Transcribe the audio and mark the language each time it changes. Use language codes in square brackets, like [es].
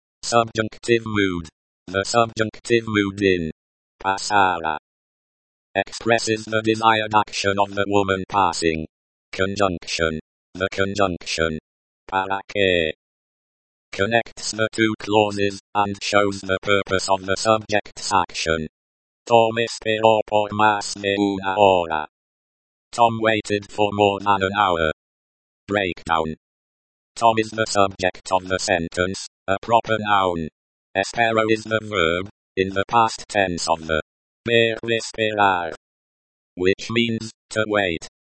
[en] Subjunctive mood, the subjunctive mood in, pasará, expresses the desired action of the woman passing. Conjunction. The conjunction, para que, connects the two clauses, and shows the purpose of the subject's action. [es] Tom esperó por más de una hora. [en] Tom waited for more than an hour. Breakdown. Tom is the subject of the sentence, a proper noun. Espero is the verb, in the past tense of the ver esperar, which means, to wait.